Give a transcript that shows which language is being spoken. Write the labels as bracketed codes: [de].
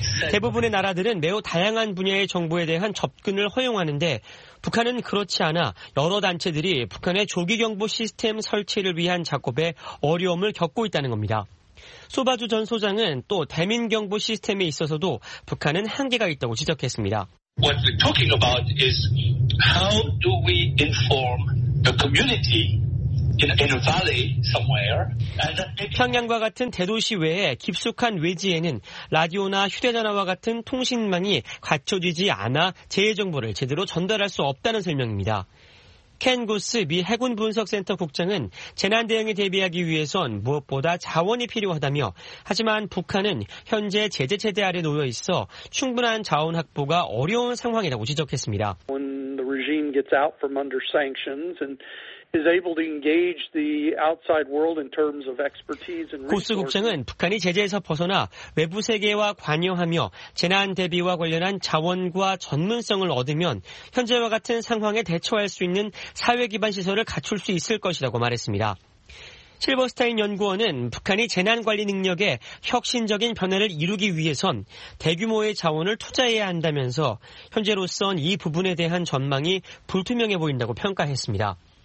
[ko] 대부분의 나라들은 매우 다양한 분야의 정보에 대한 접근을 허용하는데 북한은 그렇지 않아 여러 단체들이 북한의 조기경보 시스템 설치를 위한 작업에 어려움을 겪고 있다는 겁니다. 소바주 전 소장은 또 대민경보 시스템에 있어서도 북한은 한계가 있다고 지적했습니다. [en] What we're talking about is how do we inform the community? In a valley somewhere. [ko] 평양과 같은 대도시 외에 깊숙한 외지에는 라디오나 휴대전화와 같은 통신망이 갖춰지지 않아 재해 정보를 제대로 전달할 수 없다는 설명입니다. 켄 고스 미 해군 분석센터 국장은 재난 대응에 대비하기 위해선 무엇보다 자원이 필요하다며 하지만 북한은 현재 제재 체제 아래 놓여 있어 충분한 자원 확보가 어려운 상황이라고 지적했습니다. [en] When the regime gets out from under sanctions and is able to engage the outside world in terms of expertise and resources. [ko] 고스 국장은 북한이 제재에서 벗어나 외부 세계와 관여하며 재난 대비와 관련한 자원과 전문성을 얻으면 현재와 같은 상황에 대처할 수 있는 사회 기반 시설을 갖출 수 있을 것이라고 말했습니다. 실버스타인 연구원은 북한이 재난관리 능력에 혁신적인 변화를 이루기 위해선 대규모의 자원을 투자해야 한다면서 현재로선 이 부분에 대한 전망이 불투명해 보인다고 평가했습니다.